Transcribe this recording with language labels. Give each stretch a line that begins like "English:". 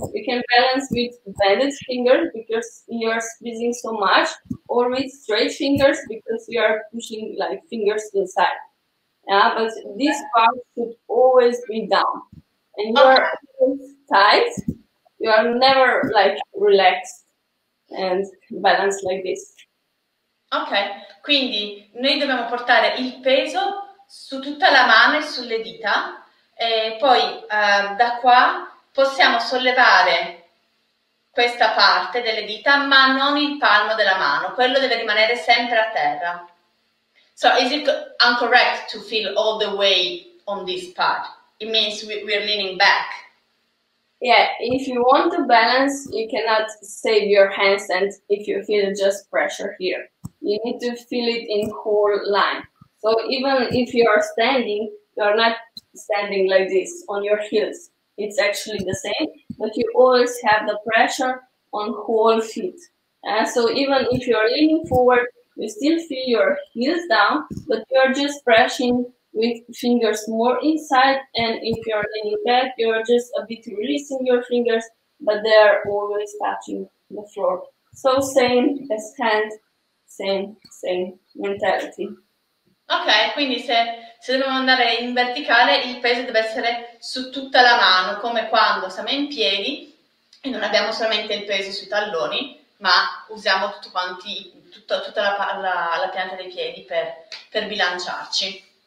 English: You can balance with bended fingers, because you are squeezing so much, or with straight fingers, because you are pushing like fingers inside. Yeah, but this part should always be down. And you are tight, you are never like relaxed and balanced like this.
Italian: Okay, quindi noi dobbiamo portare il peso su tutta la mano e sulle dita, e poi da qua possiamo sollevare questa parte delle dita, ma non il palmo della mano, quello deve rimanere sempre a terra.
English: So is it incorrect to feel all the weight on this part? It means we're leaning back. Yeah, if you want to balance, you cannot save your handstand if you feel just pressure here. You need to feel it in whole line. So even if you are standing, you are not standing like this on your heels. It's actually the same, but you always have the pressure on whole feet. And so even if you are leaning forward, you still feel your heels down, but you are just pressing with fingers more inside, and if you're leaning back, you're just a bit releasing your fingers, but they're always touching the floor. So same as hand, same mentality.
Italian: Ok, quindi se dobbiamo andare in verticale, il peso deve essere su tutta la mano, come quando siamo in piedi e non abbiamo solamente il peso sui talloni, ma usiamo tutta la pianta dei piedi per bilanciarci.